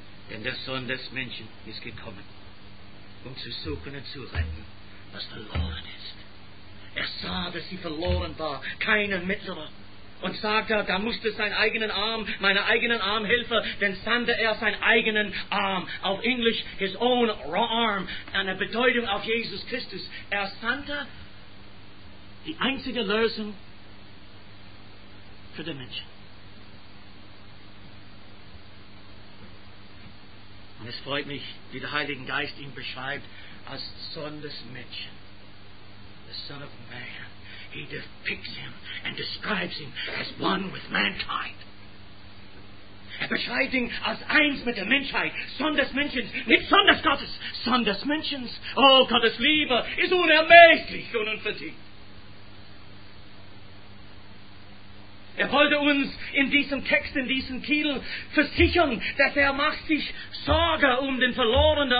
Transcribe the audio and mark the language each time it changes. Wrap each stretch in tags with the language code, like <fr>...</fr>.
<de>Denn der Sohn des Menschen ist gekommen, um zu suchen und zu retten, was verloren ist. Er sah, dass sie verloren war. Keine Mittler. Und sagte, da musste sein eigenen Arm, meinen eigenen Arm helfen, denn sandte er seinen eigenen Arm. Auf Englisch,</de> <en>his own arm.</en> <de>Eine Bedeutung auf Jesus Christus. Er sandte die einzige Lösung für den Menschen. Und es freut mich, wie der Heilige Geist ihn beschreibt, als Sohn des Menschen.</de> <en>The Son of Man. He depicts him and describes him as one with mankind.</en> <de>Er beschreibt ihn als eins mit der Menschheit. Sohn des Menschen, nicht Sohn des Gottes. Sohn des Menschen. Oh, Gottes Liebe ist unermesslich und unverdient. Er wollte uns in diesem Text, in diesem Titel versichern, dass er macht sich Sorge um den Verlorenen.</de>